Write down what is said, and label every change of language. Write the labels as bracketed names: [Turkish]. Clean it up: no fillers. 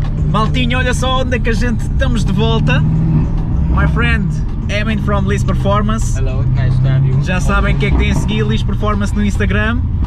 [Portuguese] Maltinho, olha só onde é que a gente estamos de volta. [English] My friend, Emin from Liz Performance. Hello, nice to have you. [Portuguese] Já sabem quem é que tem a seguir Liz Performance no Instagram.